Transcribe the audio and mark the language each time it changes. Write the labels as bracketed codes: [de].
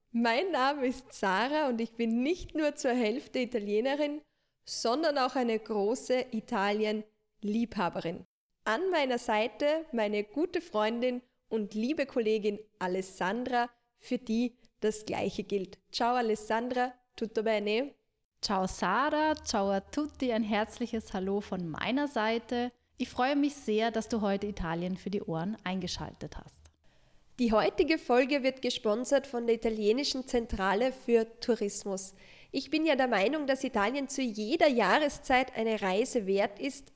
[de] Mein Name ist Sarah und ich bin nicht nur zur Hälfte Italienerin, sondern auch eine große Italien-Liebhaberin. An meiner Seite meine gute Freundin und liebe Kollegin Alessandra, für die das Gleiche gilt. [it] Ciao Alessandra, tutto bene? Ciao Sarah, ciao a tutti, [de] ein herzliches Hallo von meiner Seite. Ich freue mich sehr, dass du heute Italien für die Ohren eingeschaltet hast. Die heutige Folge wird gesponsert von der italienischen Zentrale für Tourismus. Ich bin ja der Meinung, dass Italien zu jeder Jahreszeit eine Reise wert ist.